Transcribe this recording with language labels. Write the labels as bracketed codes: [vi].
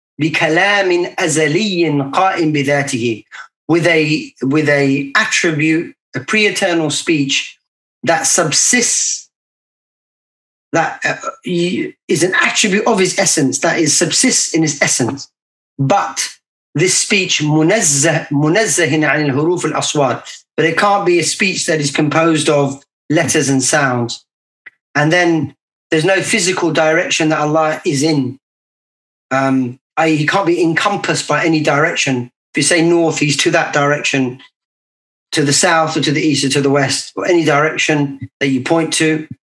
[ar] بِكَلَامٍ أَزَلِيٍّ قَائِمْ بِذَاتِهِ. [en] With a attribute, a pre-eternal speech that subsists, that is an attribute of his essence, that is subsists in his essence. But this speech, [ar] مُنَزَّهٍ عَنِ الْهُرُوفِ الْأَصْوَاتِ. [en] But it can't be a speech that is composed of letters and sounds. And then there's no physical direction that Allah is in. He can't be encompassed by any direction. If you say north, he's to that direction, to the south or to the east or to the west, or any direction that you point to.